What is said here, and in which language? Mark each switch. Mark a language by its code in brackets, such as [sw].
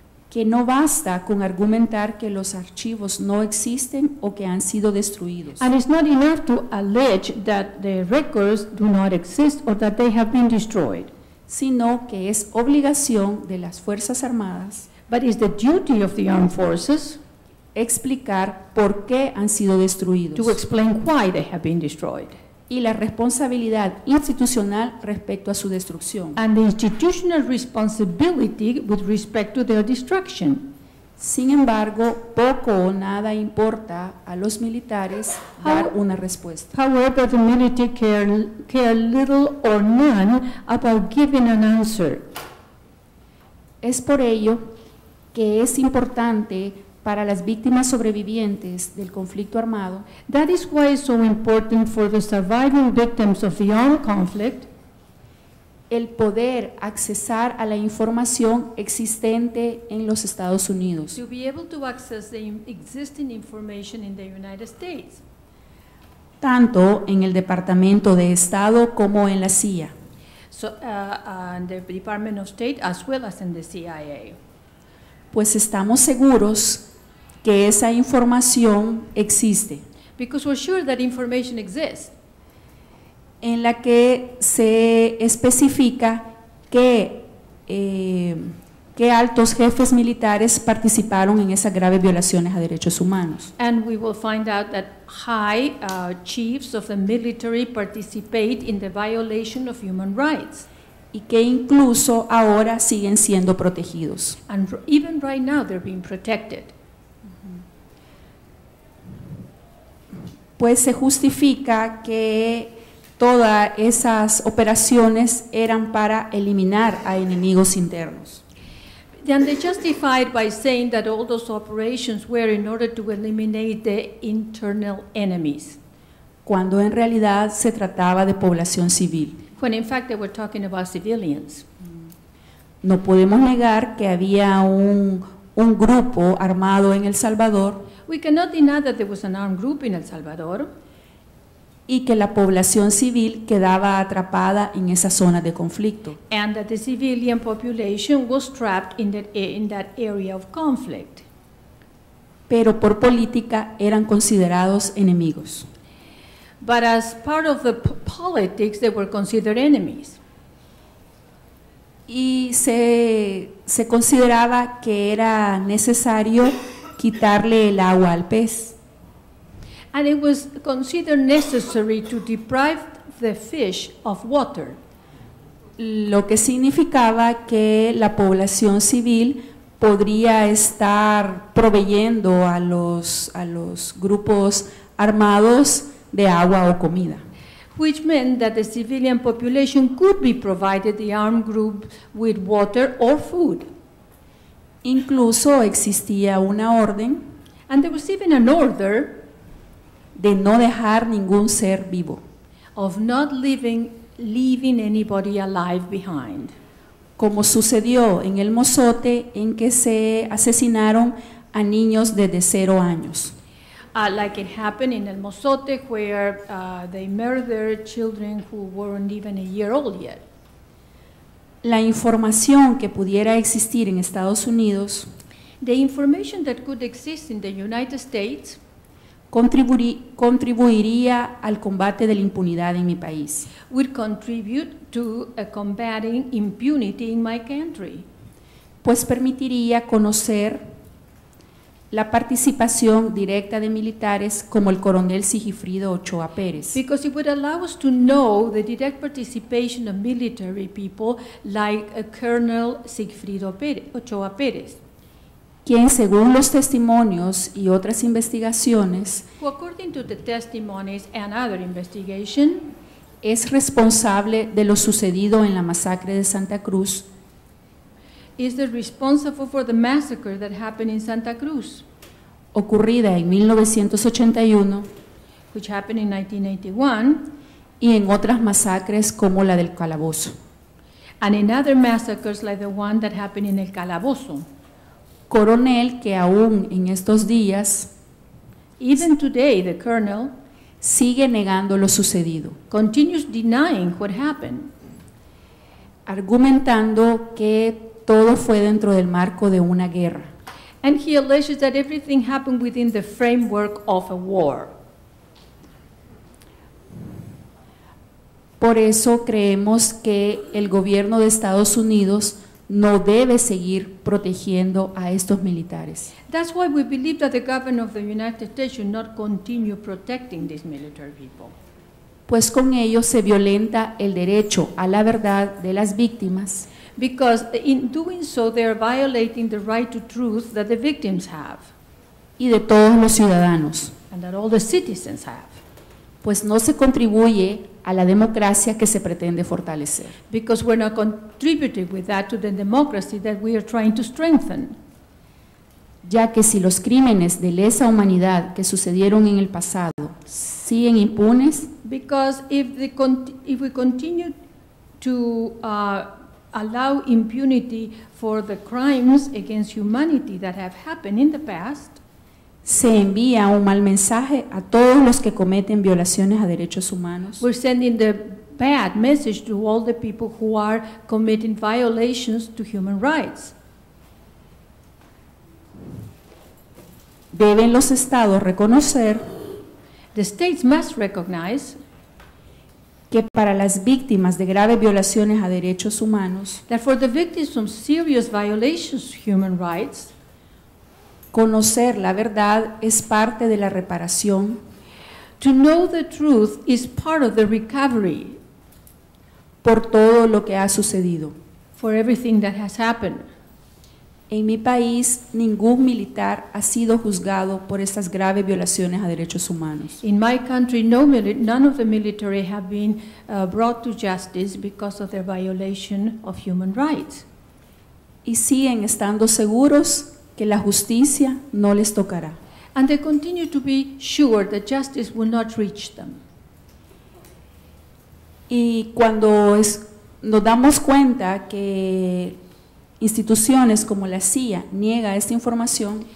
[es] que no basta con argumentar que los archivos no existen o que han sido destruidos. [en] And it's not enough to allege that the records do not exist or that they have been destroyed, [es] sino que es obligación de las Fuerzas Armadas, [en] but it's the duty of the armed forces, [es] explicar por qué han sido destruidos, [en] to explain why they have been destroyed, [es] y la responsabilidad institucional respecto a su destrucción. [en] And the institutional responsibility with respect to their destruction. [es] Sin embargo, poco o nada importa a los militares dar una respuesta. [en] However, the military care little or none about giving an answer. [es] Es por ello que es importante para las víctimas sobrevivientes del conflicto armado, [en] that is why it's so important for the surviving victims of the armed conflict, [es] el poder accesar a la información existente en los Estados Unidos, [en] to be able to access the existing information in the United States, [es] tanto en el Departamento de Estado como en la CIA, [en] so in the Department of State as well as in the CIA, [es] pues estamos seguros que esa información existe. [en] Because we're sure that information exists. [es] En la que se especifica que qué altos jefes militares participaron en esas graves violaciones a derechos humanos. [en] And we will find out that high chiefs of the military participate in the violation of human rights. [es] Y que incluso ahora siguen siendo protegidos. [en] And even right now they're being protected. [es] Pues se justifica que todas esas operaciones eran para eliminar a enemigos internos. [en] Then they justified by saying that all those operations were in order to eliminate the internal enemies. [es] Cuando en realidad se trataba de población civil. [en] When in fact they were talking about civilians. [es] No podemos negar que había un grupo armado en El Salvador. [en] We cannot deny that there was an armed group in El Salvador, [es] y que la población civil quedaba atrapada en esa zona de conflicto, [en] and that the civilian population was trapped in that area of conflict. [es] Pero por política eran considerados enemigos. [en] But as part of the politics, they were considered enemies. [es] Y se consideraba que era necesario quitarle el agua al pez. [en] And it was considered necessary to deprive the fish of water. [es] Lo que significaba que la población civil podría estar proveyendo a los grupos armados de agua o comida. [en] Which meant that the civilian population could be provided the armed group with water or food. [es] Incluso existía una orden, [en] and there was even an order, [es] de no dejar ningún ser vivo, [en] of not leaving anybody alive behind, [es] como sucedió en el Mozote, en que se asesinaron a niños desde 0 años. [en] Like it happened in El Mozote, where they murdered children who weren't even a year old yet. [es] La información que pudiera existir en Estados Unidos, [en] the information that could exist in the United States, [es] contribuiría al combate de la impunidad en mi país. [en] Would contribute to a combating impunity in my country. [es] Pues permitiría conocer la participación directa de militares como el coronel Sigifrido Ochoa Pérez. [en] Because it would allow us to know the direct participation of military people like a Colonel Sigifrido Ochoa Pérez. [es] Quien según los testimonios y otras investigaciones, [en] who, according to the testimonies and other investigation, [es] es responsable de lo sucedido en la masacre de Santa Cruz, [en] is the responsible for the massacre that happened in Santa Cruz, [es] ocurrida en 1981, [en] which happened in 1981, [es] y en otras masacres como la del calabozo, [en] and in other massacres like the one that happened in El Calabozo. [es] Coronel que aún en estos días, [en] even today, the colonel [es] sigue negando lo sucedido, [en] continues denying what happened, [es] argumentando que todo fue dentro del marco de una guerra. [en] And he alleges that everything happened within the framework of a war. [es] Por eso creemos que el gobierno de Estados Unidos no debe seguir protegiendo a estos militares. [en] That's why we believe that the government of the United States should not continue protecting these military people. [es] Pues con ello se violenta el derecho a la verdad de las víctimas. [en] Because in doing so they are violating the right to truth that the victims have. [es] Y de todos los ciudadanos. [en] And that all the citizens have. [es] Pues no se contribuye a la democracia que se pretende fortalecer. [en] Because we're not contributing with that to the democracy that we are trying to strengthen. [es] Ya que si los crímenes de lesa humanidad que sucedieron en el pasado siguen impunes, [en] because if we continue to allow impunity for the crimes against humanity that have happened in the past, [es] se envía un mal mensaje a todos los que cometen violaciones a derechos humanos. [en] We're sending the bad message to all the people who are committing violations to human rights. [es] Deben los estados reconocer, [en] the states must recognize, [es] que para las víctimas de graves violaciones a derechos humanos, [en] that for the victims of serious violations of human rights, [es] conocer la verdad es parte de la reparación. [en] To know the truth is part of the recovery. [es] Por todo lo que ha sucedido. [en] For everything that has happened. [es] En mi país, ningún militar ha sido juzgado por estas graves violaciones a derechos humanos. [en] In my country, none of the military have been brought to justice because of their violation of human rights. [es] Y siguen estando seguros que la justicia no les tocará. [en] And they continue to be sure that justice will not reach them. [es] Y cuando nos damos cuenta que instituciones como la CIA niega esta información,